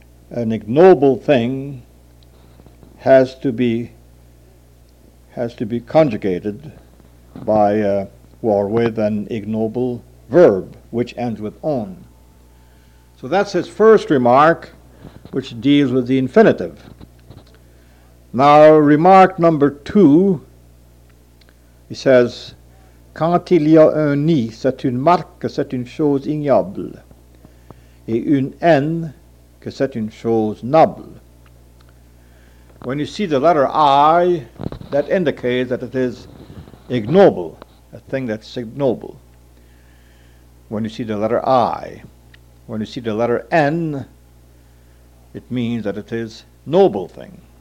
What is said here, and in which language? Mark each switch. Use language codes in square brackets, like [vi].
[en] An ignoble thing has to be conjugated by or with an ignoble verb, which ends with on. So that's his first remark, which deals with the infinitive. Now, remark number two, he says, [fr] quand il y a un ni, c'est une marque, c'est une chose ignoble, et une n, que c'est une chose noble. [en] When you see the letter I, that indicates that it is ignoble, a thing that's ignoble. When you see the letter I, when you see the letter N, it means that it is noble thing.